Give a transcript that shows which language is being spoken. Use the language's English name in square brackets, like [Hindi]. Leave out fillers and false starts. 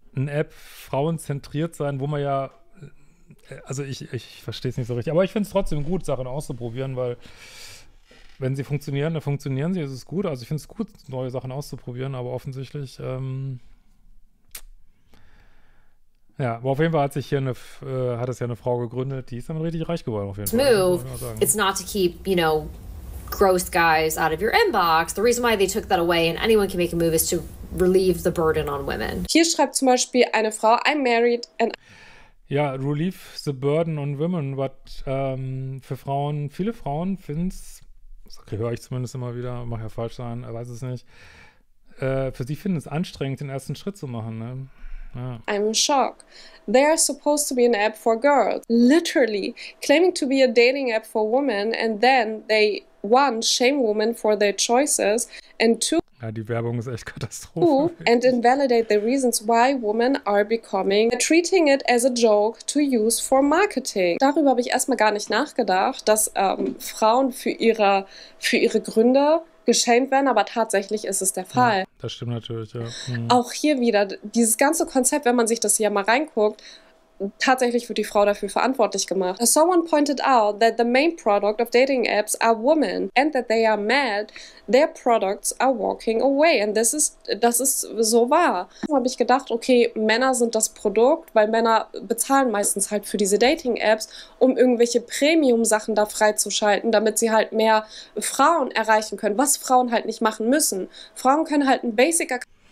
[German] eine App frauenzentriert sein, wo man ja, also ich verstehe es nicht so richtig, aber ich finde es trotzdem gut, Sachen auszuprobieren, weil wenn sie funktionieren, dann funktionieren sie, es ist gut. Also ich finde es gut, neue Sachen auszuprobieren, aber offensichtlich, ja, aber auf jeden Fall hat sich hier eine, hat es ja eine Frau gegründet, die ist dann richtig reich geworden, auf jeden Fall. [English] Move. It's not to keep, you know, gross guys out of your inbox. The reason why they took that away and anyone can make a move is to relieve the burden on women. [German] Hier schreibt zum Beispiel eine Frau, [English] I'm married and... [German] Ja, [English] relieve the burden on women, [German] was für Frauen, viele Frauen finden es, okay, höre ich zumindest immer wieder, mache ja falsch sein, weiß es nicht, für sie finden es anstrengend, den ersten Schritt zu machen, ne? [English] Ah. I'm shocked. They are supposed to be an app for girls. Literally claiming to be a dating app for women and then they, one, shame women for their choices and two, [German] ja, die Werbung ist echt Katastrophe. [English] And invalidate the reasons why women are becoming treating it as a joke to use for marketing. [German] Darüber habe ich erstmal gar nicht nachgedacht, dass Frauen für ihre Gründe geschämt werden, aber tatsächlich ist es der Fall. Ja, das stimmt natürlich, ja. Mhm. Auch hier wieder, dieses ganze Konzept, wenn man sich das hier mal reinguckt, tatsächlich wird die Frau dafür verantwortlich gemacht. [English] Someone pointed out that the main product of dating apps are women and that they are mad, their products are walking away. [German] And das ist so wahr. Da habe ich gedacht, okay, Männer sind das Produkt, weil Männer bezahlen meistens halt für diese Dating Apps, um irgendwelche Premium-Sachen da freizuschalten, damit sie halt mehr Frauen erreichen können, was Frauen halt nicht machen müssen. Frauen können halt ein Basic-Account.